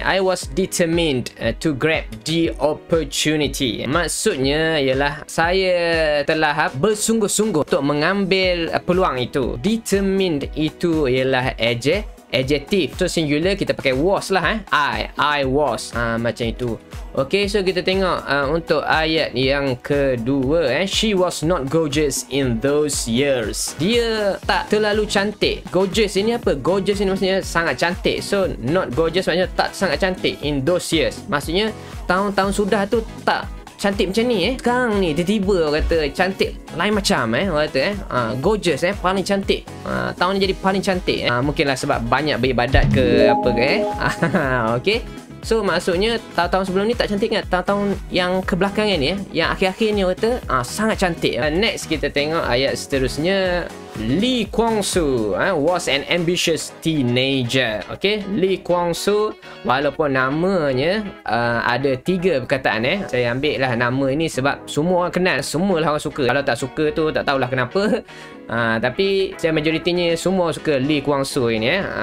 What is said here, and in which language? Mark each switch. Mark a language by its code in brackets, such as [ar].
[en] I was determined to grab the opportunity. [ms] Maksudnya ialah saya telah bersungguh-sungguh untuk mengambil peluang itu. Determined itu ialah adjective. So singular kita pakai was lah, I was macam itu. Okay, so kita tengok untuk ayat yang kedua. [en] She was not gorgeous in those years. [ms] Dia tak terlalu cantik. Gorgeous ini apa? Gorgeous ini maksudnya sangat cantik. So not gorgeous maksudnya tak sangat cantik in those years. Maksudnya tahun-tahun sudah tu tak cantik macam ni. Sekarang ni tiba-tiba orang kata cantik lain macam. Gorgeous, paling cantik. Tahun ni jadi paling cantik. Mungkinlah sebab banyak beribadat ke apa ke. Okay. So maksudnya tahun-tahun sebelum ni tak cantik kan? Tahun-tahun yang kebelakangan ni, yang akhir-akhir ni kata sangat cantik. Next kita tengok ayat seterusnya. [en] Lee Kwang-soo was an ambitious teenager. [ms] Okay, Lee Kwang-soo, walaupun namanya ada tiga perkataan, saya ambil lah nama ini sebab semua orang kenal, semua lah orang suka. Kalau tak suka tu tak tahulah kenapa. Tapi saya majoritinya semua suka Lee Kwang-soo ini.